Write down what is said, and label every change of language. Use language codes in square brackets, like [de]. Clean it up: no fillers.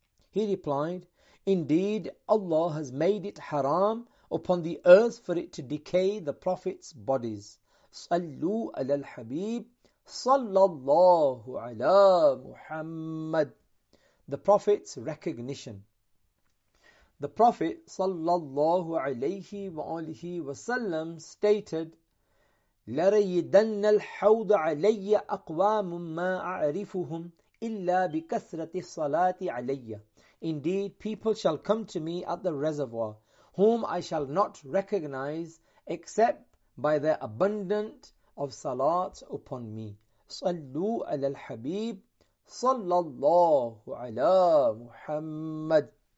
[en] He replied, "Indeed, Allah has made it haram upon the earth for it to decay the Prophet's bodies. [ar] Sallu ala al-habib sallallahu ala Muhammad." [en] The Prophet's recognition. The Prophet [ar] sallallahu alayhi wa alihi wa sallam [en] stated, [ar] "لَرَيِّدَنَّ الْحَوْضَ عَلَيَّ أَقْوَامٌ مَا أَعْرِفُهُمْ إِلَّا بِكَثْرَةِ الصَّلَاةِ عَلَيَّ." [en] Indeed, people shall come to me at the reservoir, whom I shall not recognize except by their abundant of salat upon me. [ar] صَلُّوا عَلَى الْحَبِيبِ صَلَّى اللَّهُ عَلَى مُحَمَّدٍ.